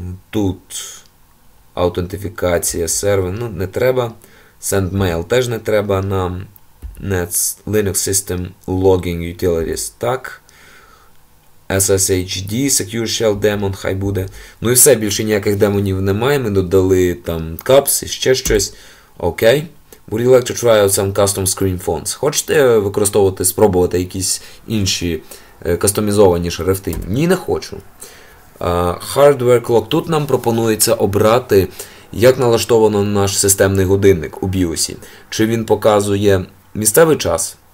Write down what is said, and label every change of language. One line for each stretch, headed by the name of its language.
Ukrainian: Тут аутентифікація сервер, ну, не треба. Sendmail теж не треба нам.
English: Nets, Linux System, Logging Utilities, так. SSHD, Secure Shell Daemon,
Ukrainian: хай буде. Ну і все, більше ніяких демонів немає, ми додали там Caps і ще щось. Окей.
English: Would you like to try out some custom screen fonts?
Ukrainian: Хочете використовувати, спробувати якісь інші кастомізовані шрифти? Ні, не хочу. Hardware Clock. Тут нам пропонується обрати, як налаштовано наш системний годинник у BIOS. Чи він показує місцевий час,